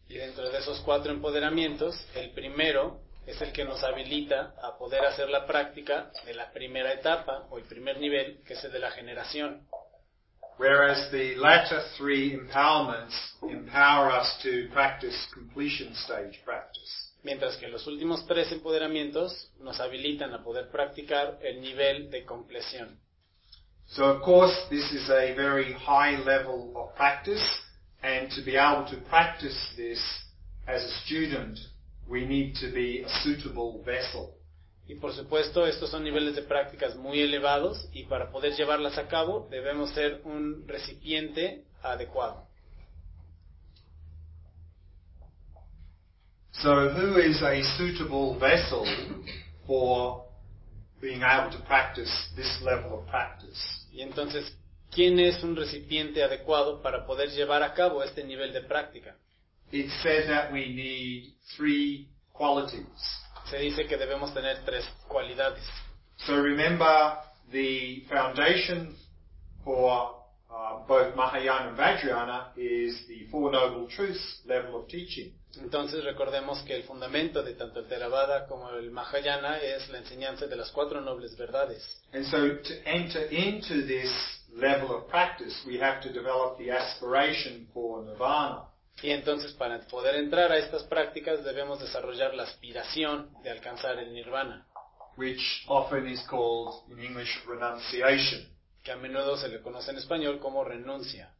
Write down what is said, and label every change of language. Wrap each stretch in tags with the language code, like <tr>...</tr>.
<es>Y dentro de esos cuatro empoderamientos, el primero es el que nos habilita a poder hacer la práctica de la primera etapa o el primer nivel, que es el de la generación.</es> <en>Whereas the latter three empowerments empower us to practice completion stage practice.</en> <es>Mientras que los últimos tres empoderamientos nos habilitan a poder practicar el nivel de compleción.</es> <en>So of course this is a very high level of practice, and to be able to practice this as a student, we need to be a suitable vessel.</en> <es>Y por supuesto, estos son niveles de prácticas muy elevados, y para poder llevarlas a cabo, debemos ser un recipiente adecuado.</es> <en>So, who is a suitable vessel for being able to practice this level of practice?</en> <es>Y entonces, ¿quién es un recipiente adecuado para poder llevar a cabo este nivel de práctica?</es> <en>It says that we need three qualities.</en> <es>Se dice que debemos tener tres cualidades.</es> <en>So remember, the foundation for both Mahayana and Vajrayana is the Four Noble Truths level of teaching.</en> <es>Entonces recordemos que el fundamento de tanto el Theravada como el Mahayana es la enseñanza de las cuatro nobles verdades.</es> <en>And so to enter into this level of practice, we have to develop the aspiration for Nirvana.</en> <es>Y entonces, para poder entrar a estas prácticas, debemos desarrollar la aspiración de alcanzar el Nirvana,</es> <en>which often is called in English renunciation,</en> <es>que a menudo se le conoce en español como renuncia.</es>